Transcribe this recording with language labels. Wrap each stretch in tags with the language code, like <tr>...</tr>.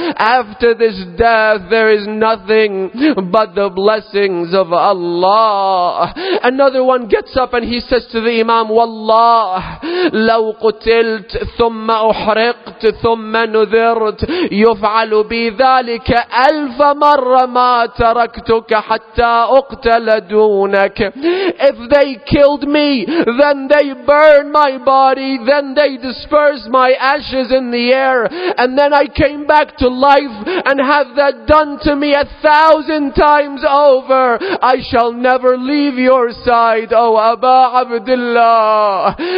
<en>After this death, there is nothing but the blessings of Allah. Another one gets up and he says to the Imam,</en> <ar>"Wallah, لو قتلت ثم أحرقت ثم نذرت يفعل بي ذلك ألف مرة ما تركتك حتى أقتل دونك."</ar> <en>If they killed me, then they burned my body, then they dispersed my ashes in the air, and then I came back to life, and have that done to me 1,000 times over, I shall never leave your side, O Aba Abdullah.</en>